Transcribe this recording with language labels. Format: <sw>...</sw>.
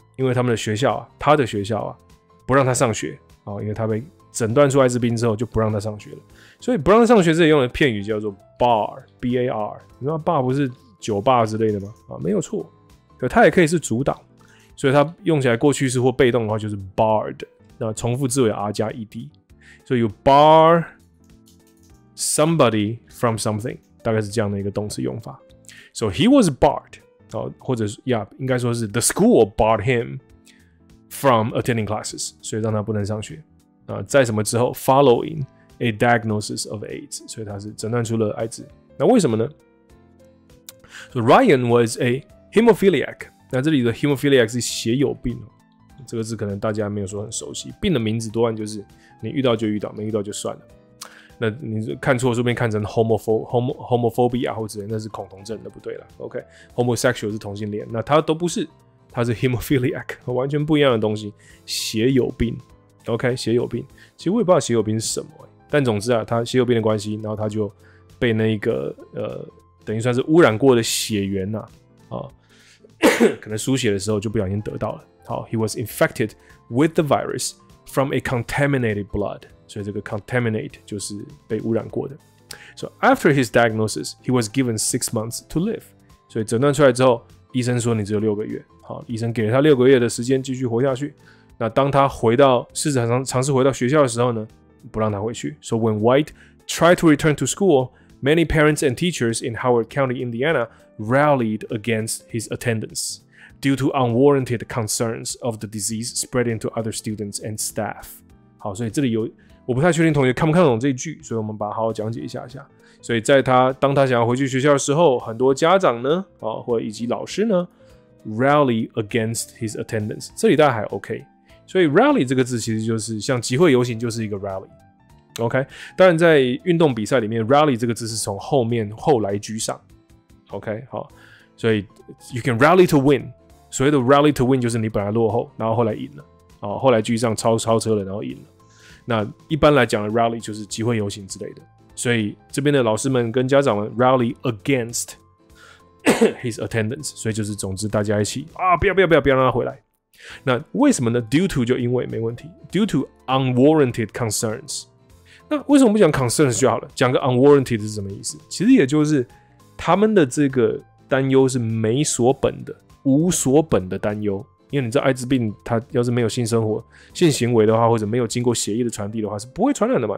<zh>因为他们的学校啊，他的学校啊，不让他上学啊，因为他被诊断出艾滋病之后就不让他上学了，所以不让他上学这里用的片语叫做 bar， 你知道 bar 不是酒吧之类的吗？啊，没有错，可他也可以是阻挡，所以他用起来过去式或被动的话就是 barred， 那重复字尾 r 加 ed， 所以</zh> <en>you bar somebody。 From something，</en> <zh>大概是这样的一个动词用法。</zh> <en>So he was barred， 或者是 yeah，</en> <zh>应该说是</zh> <en>the school barred him from attending classes，</en> <zh>所以让他不能上学。在什么之后 ，</zh> <en>following a diagnosis of AIDS，</en> <zh>所以他是诊断出了艾滋。那为什么呢</zh> <en>？So Ryan was a hemophiliac。</en> <zh>那这里的 hemophiliac 是血友病哦，这个字可能大家没有说很熟悉。病的名字多半就是你遇到就遇到，没遇到就算了。那你看错，顺便看成 homophobia 或者那是恐同症，那不对了。 OK，homosexual、okay, 是同性恋，那他都不是，他是 hemophiliac， 完全不一样的东西，血友病。 OK， 血友病，其实我也不知道血友病是什么、欸，但总之啊，他血友病的关系，然后他就被那一个等于算是污染过的血源呐、啊，可能输血的时候就不小心得到了。</zh> <en>好 ，he was infected with the virus from a contaminated blood。</en> <zh>所以这个 contaminate 就是被污染过的。</zh> <en>So after his diagnosis, he was given 6 months to live.</en> <zh>所以诊断出来之后，医生说你只有六个月。好，医生给了他六个月的时间继续活下去。那当他回到试着尝试回到学校的时候呢，不让他回去。</zh> <en>So when White tried to return to school, many parents and teachers in Howard County, Indiana, rallied against his attendance due to unwarranted concerns of the disease spreading to other students and staff.</en> <zh>好，所以这里有我不太确定同学看不看懂这一句，所以我们把它好好讲解一下下。所以在他当他想要回去学校的时候，很多家长呢，啊，或者以及老师呢 ，</zh> <en>rally against his attendance。</en> <zh>这里大概还 OK。所以 rally 这个字其实就是像集会游行就是一个 rally。 OK， 当然在运动比赛里面 ，rally 这个字是从后面后来居上。</zh> <en>OK，</en> <zh>好，所以</zh> <en>you can rally to win。</en> <zh>所谓的 rally to win 就是你本来落后，然后后来赢了。哦，后来居上超车了，然后赢了。那一般来讲的 rally 就是集会游行之类的。所以这边的老师们跟家长们</zh> <en>rally against his attendance，</en> <zh>所以就是总之大家一起啊，不要不要不要不要让他回来。那为什么呢 ？Due to 就因为没问题 ，</zh> <en>due to unwarranted concerns。</en> <zh>那为什么不讲 concerns 就好了？讲个 unwarranted 是什么意思？其实也就是他们的这个担忧是没所本的，无所本的担忧。因为你知道艾滋病，它要是没有性生活、性行为的话，或者没有经过血液的传递的话，是不会传染的嘛？</zh>